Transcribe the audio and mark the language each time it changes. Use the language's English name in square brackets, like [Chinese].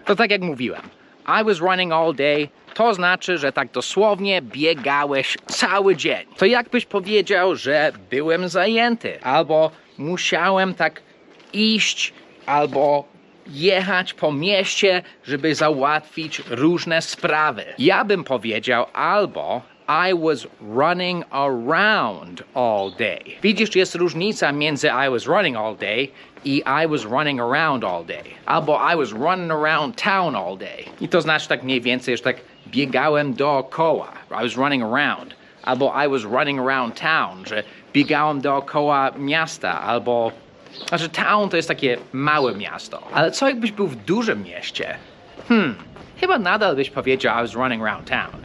[Polish] To tak jak mówiłem, [English] I was running all day, [Polish] to znaczy, że tak dosłownie biegałeś cały dzień. To jakbyś powiedział, że byłem zajęty, albo musiałem tak iść, albo jechać po mieście, żeby załatwić różne sprawy. Ja bym powiedział albo [English] I was running around all day. [Polish] Widzisz, jest różnica między [English] I was running all day i I was running around all day. Albo I was running around town all day. [Polish] I to znaczy tak mniej więcej, że tak biegałem dookoła. [English] I was running around. [Polish] Albo [English] I was running around town, [Polish] że biegałem dookoła miasta. Albo, znaczy town to jest takie małe miasto. Ale co jakbyś był w dużym mieście? Chyba nadal byś powiedział [English] I was running around town.